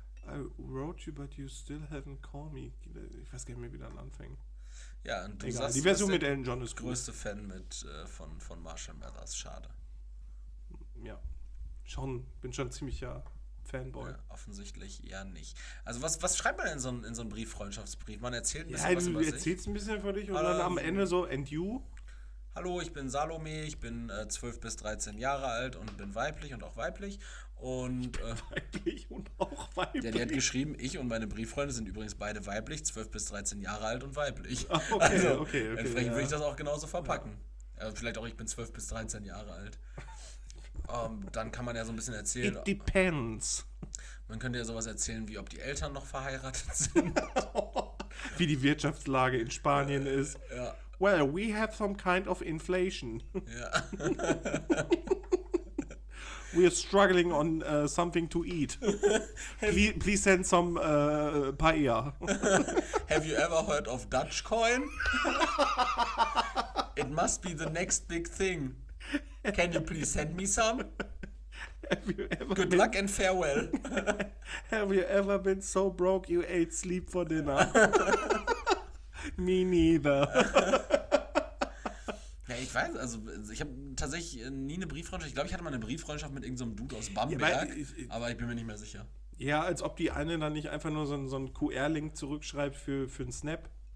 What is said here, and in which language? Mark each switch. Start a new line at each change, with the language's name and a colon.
English: I wrote you, but you still haven't called me.
German: Ich weiß gar nicht mehr, wie dann anfängt. Ja, und du sagst, die Version mit Elton John ist größte cool. Fan mit von Marshall Mathers, schade. Ja, schon, bin schon ziemlicher Fanboy. Ja, offensichtlich eher nicht. Also was schreibt man in so einen Brief, Freundschaftsbrief? Man erzählt ein bisschen was über sich. Erzählst ein bisschen von dich und dann am Ende so,
English: and you?
German: Hallo, ich bin Salome, ich bin 12 bis 13 Jahre alt und bin weiblich und auch weiblich. Und weiblich und auch weiblich. Der hat geschrieben, ich und meine Brieffreunde sind übrigens beide weiblich, 12 bis 13 Jahre alt und weiblich. Okay, also, okay. Entsprechend würde ich das auch genauso verpacken. Ja. Also, vielleicht auch, ich bin 12 bis 13 Jahre alt. dann kann man ja so ein bisschen erzählen.
English: It depends.
German: Man könnte ja sowas erzählen, wie ob die Eltern noch verheiratet sind. Wie die Wirtschaftslage in Spanien ist. Ja.
English: Well, we have some kind of inflation.
German: Ja.
English: We are struggling on something to eat. Please send some paella. Have you ever heard of Dutch coin? It must be the next big thing. Can you please send me some? Have you ever Good been, luck and farewell. Have you ever been so broke you ate sleep for dinner? Me neither.
German: Ja, ich weiß, also ich habe tatsächlich nie eine Brieffreundschaft. Ich glaube, ich hatte mal eine Brieffreundschaft mit irgendeinem Dude aus Bamberg, ja, aber ich bin mir nicht mehr sicher. Ja, als ob die eine dann nicht einfach nur so einen QR-Link zurückschreibt für einen Snap.